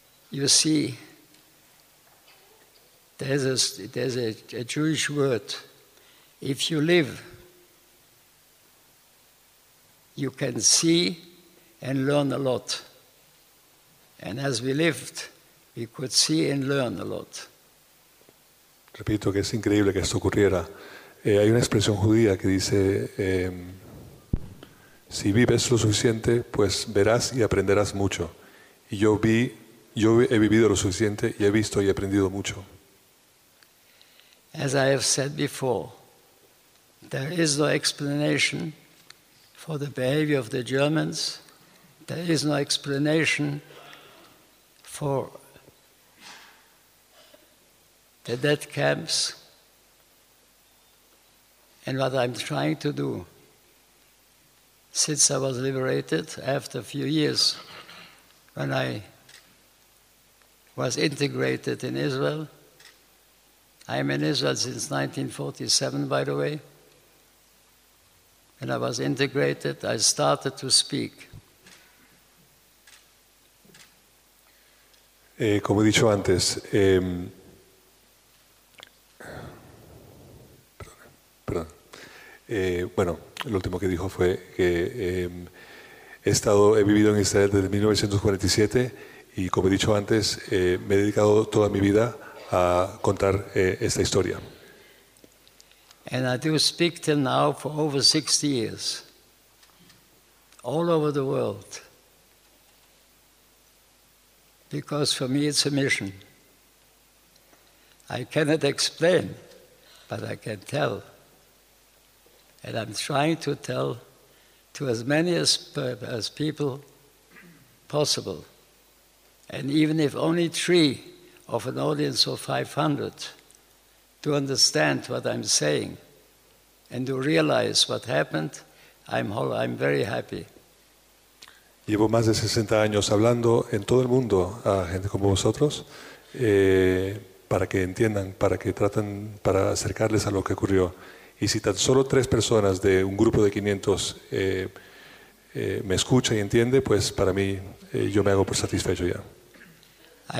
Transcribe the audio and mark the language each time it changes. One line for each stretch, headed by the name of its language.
English: You see, there's a Jewish word: if you live, you can see and learn a lot. And as we lived, we could see and learn a lot.
Spanish: Repito que es increíble que esto ocurriera. Hay una expresión judía que dice: si vives lo suficiente, pues verás y aprenderás mucho. Y yo he vivido lo suficiente y he visto y he aprendido mucho.
English: As I have said before, there is no explanation for the behavior of the Germans. There is no explanation for the death camps. And what I'm trying to do, since I was liberated after a few years, when I was integrated in Israel, I'm in Israel since 1947, by the way. And I was integrated, I started to speak.
Spanish: Como he dicho antes, lo último que dijo fue que he vivido en Israel desde 1947 y, como he dicho antes, me he dedicado toda mi vida a contar esta historia.
English: And I do speak till now for over 60 years, all over the world, because for me it's a mission. I cannot explain, but I can tell. And I'm trying to tell to as many as people possible. And even if only three of an audience of 500 do understand what I'm saying, and to realize what happened, I'm very happy.
Spanish: Llevo más de 60 años hablando en todo el mundo a gente como vosotros para que entiendan, para que traten, para acercarles a lo que ocurrió. Y si tan solo tres personas de un grupo de 500 me escucha y entiende, pues para mí yo me hago por satisfecho ya.